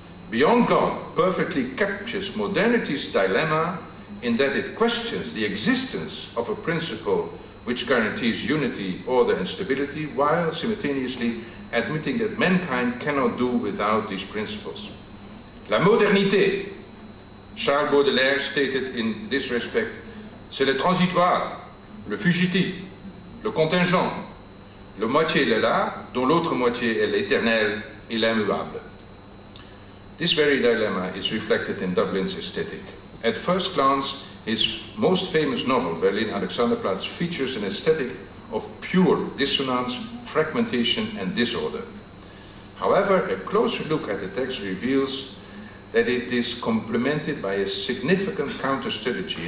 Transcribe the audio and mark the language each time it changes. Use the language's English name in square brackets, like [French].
[English] Beyond God perfectly captures modernity's dilemma in that it questions the existence of a principle which guarantees unity, order, and stability, while simultaneously admitting that mankind cannot do without these principles. [French] La modernité, Charles Baudelaire [English] stated in this respect, [French] c'est le transitoire, le fugitif, le contingent, le moitié est là, dont l'autre moitié est l'éternel et l'immuable. [English] This very dilemma is reflected in Döblin's aesthetic. At first glance, his most famous novel, Berlin Alexanderplatz, features an aesthetic of pure dissonance, fragmentation, and disorder. However, a closer look at the text reveals that it is complemented by a significant counter-strategy.